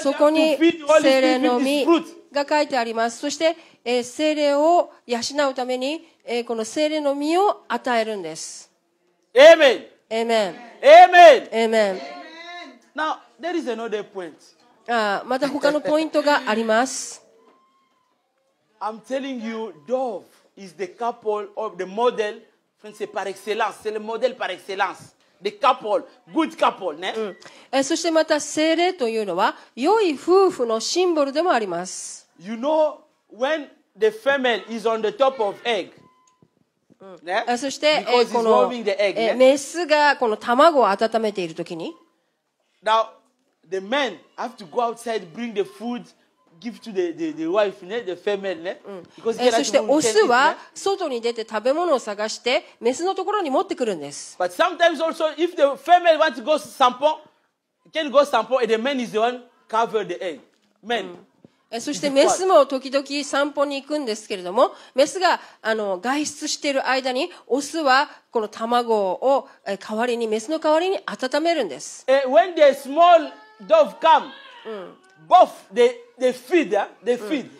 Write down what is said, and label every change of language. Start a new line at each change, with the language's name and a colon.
Japanese: そこに聖霊の実が書いてあります。そして、聖霊を養うために、この聖霊の実を与えるんです。
English: Amen. Amen. Amen. Amen. Now there is another point.
Japanese: また他のポイントがあります。
English: I'm telling you, Dove is the couple of the model.
French: C'est par excellence, c'est le modèle par excellence.
English: The couple, good couple, ne?
Japanese: そしてまた聖霊というのは良い夫婦のシンボルでもあります。
English: You know when the female is on the top of egg, ね?
Japanese: そして、
English: Because
Japanese: この
English: it's warming the egg, ね?
Japanese: メスがこの卵を温めているときに、
English: Now the men have to go outside bring the food. Give to the wife, ne? The female, ne?
Japanese: Because そしてオスは外に出て食べ物を探してメスのところに持ってくるんです。
English: But sometimes also, if the female wants to go sampon, can go sampon, and the man is the one cover the egg. Men.
Japanese: そしてメスも時々散歩に行くんですけれども、メスが外出している間にオスはこの卵を代わりにメスの代わりに温めるんです。
English: When the small dove come, both they feed, they feed.